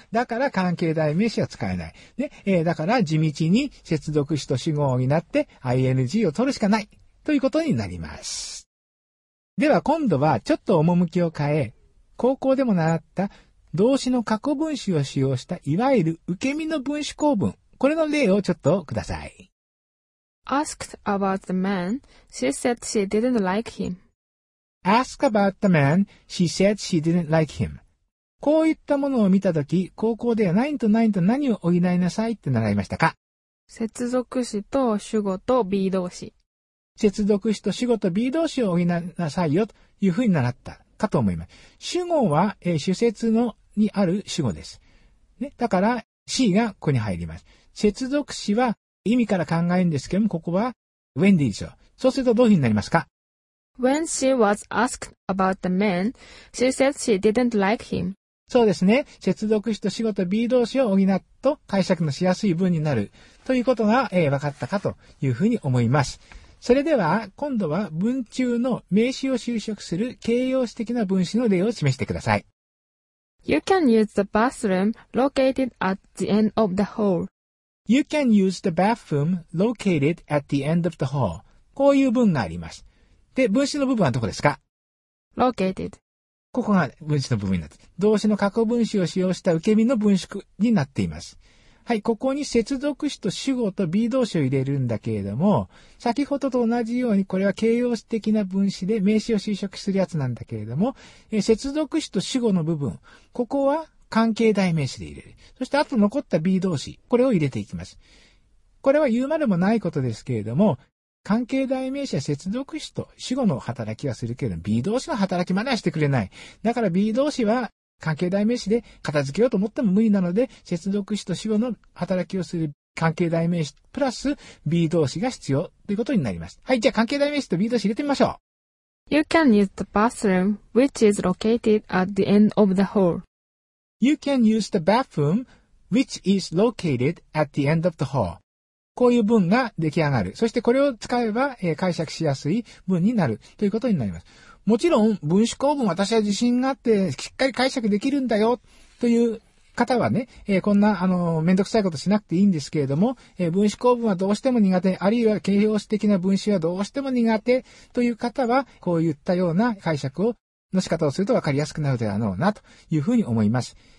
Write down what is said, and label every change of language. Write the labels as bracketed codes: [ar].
[ja] だから関係代名詞は使えない。ね、だから地道に接続詞と主語になって ING を取るしかないということになります。では今度はちょっと趣を変え、高校でも習った動詞の過去分詞を使用したいわゆる受け身の分詞構文。これの例をちょっとください。 [en] Asked about the man, she said she didn't like him. Asked about the man, she said she didn't like him. [ja] こういったものを見たとき、高校では何と何と何を補いなさいって習いましたか？接続詞と主語と B 動詞。接続詞と主語と B 動詞を補いなさいよというふうに習ったかと思います。主語は、主節のにある主語です。ね、だから C がここに入ります。接続詞は意味から考えるんですけども、ここは when でいいでしょう。そうするとどういうふうになりますか？ [en] When she was asked about the man, she said she didn't like him. [ja] そうですね。接続詞と主語と B 動詞を補うと解釈のしやすい文になるということが、分かったかというふうに思います。それでは今度は文中の名詞を修飾する形容詞的な文詞の例を示してください。 [en] You can use the bathroom located at the end of the hall. You can use the bathroom located at the end of the hall. [ja] こういう文があります。で、文詞の部分はどこですか？ [en] Located. [ja] ここが分詞の部分になって、動詞の過去分詞を使用した受け身の分詞になっています。はい、ここに接続詞と主語と B 動詞を入れるんだけれども、先ほどと同じようにこれは形容詞的な分詞で名詞を修飾するやつなんだけれども、接続詞と主語の部分、ここは関係代名詞で入れる。そしてあと残った B 動詞、これを入れていきます。これは言うまでもないことですけれども、関係代名詞は接続詞と主語の働きはするけど、B 動詞の働きまではしてくれない。だから B 動詞は関係代名詞で片付けようと思っても無理なので、接続詞と主語の働きをする関係代名詞プラス B 動詞が必要ということになります。はい、じゃあ関係代名詞と B 動詞入れてみましょう。 [en] You can use the bathroom which is located at the end of the hall. You can use the bathroom which is located at the end of the hall. [ja] こういう文が出来上がる。そしてこれを使えば、解釈しやすい文になるということになります。もちろん分詞構文私は自信があってしっかり解釈できるんだよという方はね、こんなめんどくさいことしなくていいんですけれども、分詞構文はどうしても苦手、あるいは形容詞的な分詞はどうしても苦手という方はこういったような解釈をの仕方をすると分かりやすくなるであろうなというふうに思います。